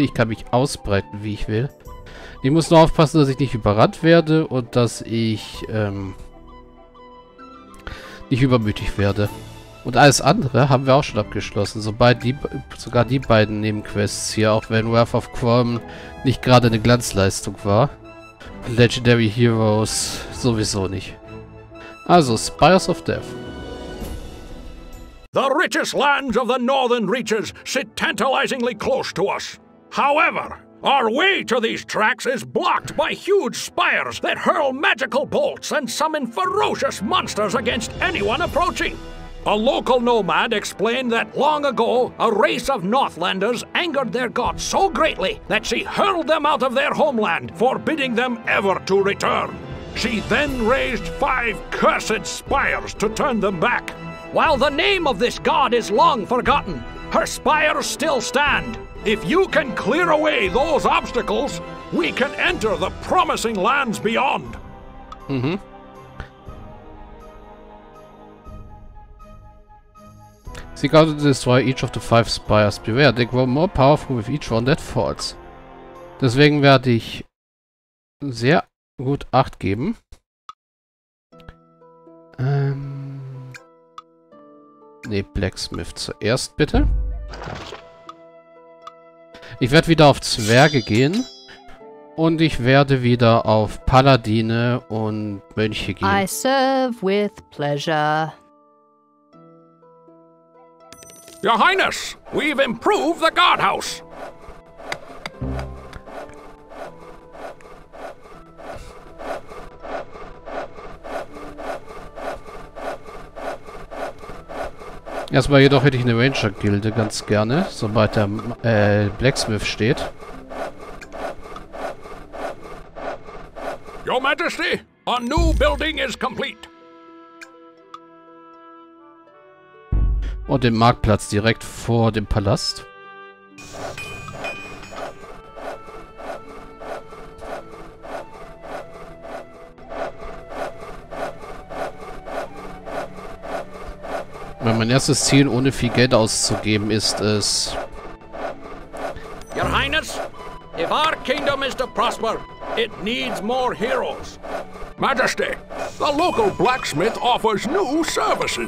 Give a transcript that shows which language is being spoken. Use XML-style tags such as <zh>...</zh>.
<de>Ich kann mich ausbreiten, wie ich will. Ich muss nur aufpassen, dass ich nicht überrannt werde und dass ich nicht übermütig werde. Und alles andere haben wir auch schon abgeschlossen. Sogar die beiden Nebenquests hier, auch wenn Wrath of Qorm nicht gerade eine Glanzleistung war. Legendary Heroes sowieso nicht. Also, Spires of Death.</de> <en>The richest lands of the northern reaches sit tantalizingly close to us. However, our way to these tracks is blocked by huge spires that hurl magical bolts and summon ferocious monsters against anyone approaching. A local nomad explained that long ago, a race of Northlanders angered their god so greatly that she hurled them out of their homeland, forbidding them ever to return. She then raised five cursed spires to turn them back. While the name of this god is long forgotten, her spires still stand. If you can clear away those obstacles, we can enter the promising lands beyond. Seek out and destroy each of the five spires. Beware, they grow more powerful with each one that falls.</en> <de>Deswegen werde ich sehr gut Acht geben. Ne, Blacksmith zuerst bitte. Ich werde wieder auf Zwerge gehen. Und ich werde wieder auf Paladine und Mönche gehen.</de> <en>I serve with pleasure. Your Highness, we've improved the guardhouse.</en> <de>Erstmal jedoch hätte ich eine Ranger-Gilde ganz gerne, sobald der Blacksmith steht.</de> <en>Your Majesty, a new building is complete.</en> <de>Und den Marktplatz direkt vor dem Palast. Mein erstes Ziel, ohne viel Geld auszugeben, ist es.</de> <en>Your Highness, if our kingdom is to prosper, it needs more heroes. Majesty, the local blacksmith offers new services.</en>